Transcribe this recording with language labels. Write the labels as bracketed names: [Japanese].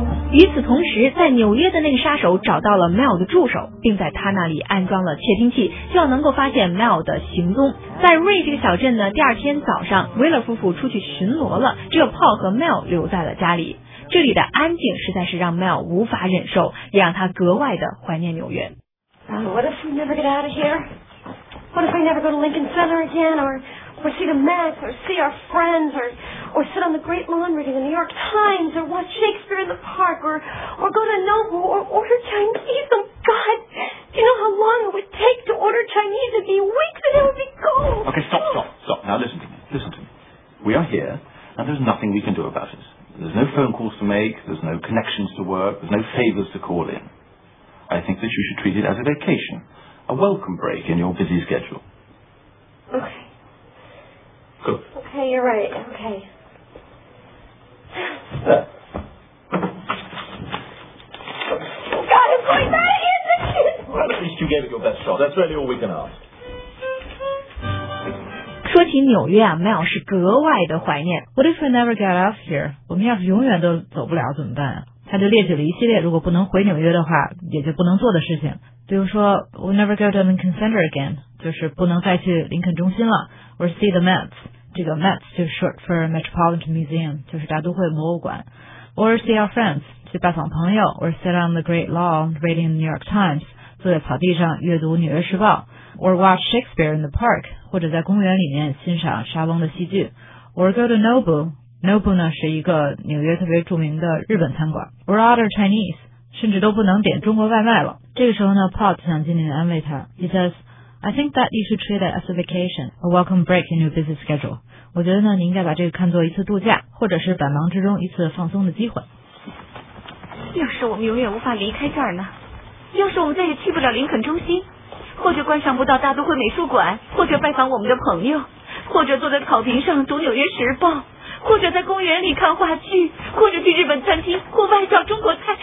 [Chinese] 与此同时，在纽约的那个杀手找到了 Mel 的助手，并在他那里安装了窃听器，希望能够发现 Mel 的行踪。在 Ray 这个小镇呢，第二天早上 Wheeler 夫妇出去巡逻了，只有 Paul 和 Mel 留在了家里。这里的安静实在是让 Mel 无法忍受，也让他格外的怀念纽约。 [English] What if we never get out of here? What if we never go to Lincoln Center again? Or see the Mets? Or see our friends? Or sit on the Great Lawn reading the New York Times? Or watch Shakespeare in the Park? Or go to Nobu? Or order Chinese? Oh God! Do you know how long it would take to order Chinese? It'd be weeks and it would be cold! Okay, stop. Now listen to me. We are here, and there's nothing we can do about it. There's no phone calls to make, there's no connections to work, there's no favors to call in. I think that you should treat it as a vacation, a welcome break in your busy schedule. Okay. Good. Okay, you're right. Okay. Oh, God, I'm going back in the kitchen! Well, at least you gave it your best shot. That's really all we can ask. [Chinese] 说起纽约啊 ，Mel 是格外的怀念。 [English] What if we never get out of here? [Chinese] 我们要是永远都走不了怎么办？他就列举了一系列如果不能回纽约的话，也就不能做的事情。比如说 [English] ，We'll never go to Lincoln Center again， [Chinese] 就是不能再去林肯中心了。 [English] Or see the Mets， [Chinese] 这个 [English] Mets 就是 short for Metropolitan Museum， [Chinese] 就是大都会博物馆。 [English] Or see our friends， [Chinese] 去拜访朋友。 [English] Or sit on the Great Lawn reading New York Times， [Chinese] 坐在草地上阅读《纽约时报》。 [English] Or watch Shakespeare in the park， [Chinese] 或者在公园里面欣赏莎翁的戏剧。 [English] Or go to Nobu。 [Chinese] Nobu 呢是一个纽约特别著名的日本餐馆。 [English] Or order Chinese， [Chinese] 甚至都不能点中国外卖了。这个时候呢 ，Paul 想尽力安慰他。 [English] He says， I think that you should treat it as a vacation， a welcome break in your busy schedule。 [Chinese] 我觉得呢，你应该把这个看作一次度假，或者是百忙之中一次放松的机会。要是我们永远无法离开这儿呢？要是我们再也去不了林肯中心？或者观赏不到大都会美术馆，或者拜访我们的朋友，或者坐在草坪上读纽约时报，或者在公园里看话剧，或者去日本餐厅或外教中国菜。